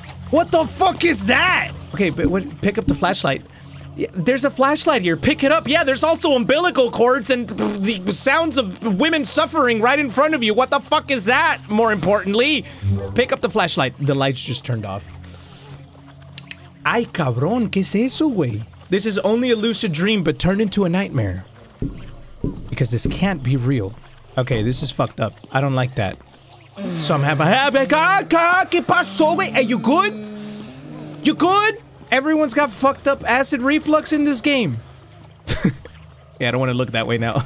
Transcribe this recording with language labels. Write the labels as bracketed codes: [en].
[en] What the fuck is that? Okay, but what, pick up the flashlight. Yeah, there's a flashlight here. Pick it up. Yeah, there's also umbilical cords and the sounds of women suffering right in front of you. What the fuck is that? More importantly, pick up the flashlight. The lights just turned off. [es] Ay, cabrón, ¿qué es eso, güey? [en] This is only a lucid dream, but turned into a nightmare. Because this can't be real. Okay, this is fucked up. I don't like that. So I'm happy. [es] ¿Qué pasó, güey? [en] Are you good? You good? Everyone's got fucked up acid reflux in this game. Yeah, I don't want to look that way now.